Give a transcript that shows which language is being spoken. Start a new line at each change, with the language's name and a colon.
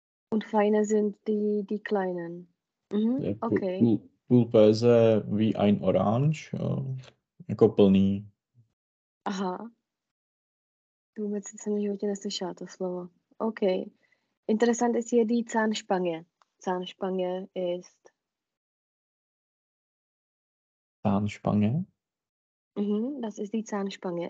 German: Und feine sind die kleinen. Mhm. Okay. Pulpeze wie ein Orange, jo.
Czech: Jako plný. Aha. To vůbec jsem v životě neslyšela to slovo. OK.
German: Interessant ist hier die Zahnspange. Zahnspange ist... Zahnspange? Mhm, das ist die Zahnspange.